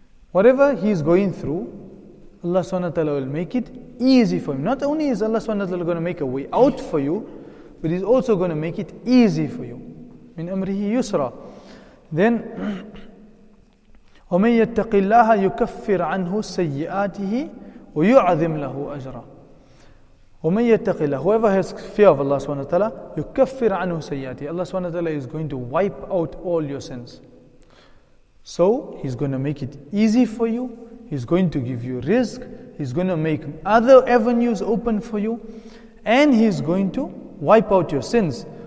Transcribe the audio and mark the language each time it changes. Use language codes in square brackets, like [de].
[en] Whatever he is going through, Allah subhanahu wa ta'ala will make it easy for him. Not only is Allah subhanahu wa ta'ala going to make a way out for you, but he's also going to make it easy for you. [ar] مِنْ أَمْرِهِ يُسْرًا. Then, وَمَنْ يَتَّقِ اللَّهَ يُكَفِّرْ عَنْهُ سَيِّئَاتِهِ وَيُعَذِمْ لَهُ أَجْرًا. وَمَنْ يَتَّقِ اللَّهَ, [en] whoever has fear of Allah subhanahu wa ta'ala, [ar] يُكَفِّرْ عَنْهُ سَيِّئَاتِهِ, [en] Allah subhanahu wa ta'ala is going to wipe out all your sins. So, he's going to make it easy for you, he's going to give you rizq, he's going to make other avenues open for you, and he's going to wipe out your sins.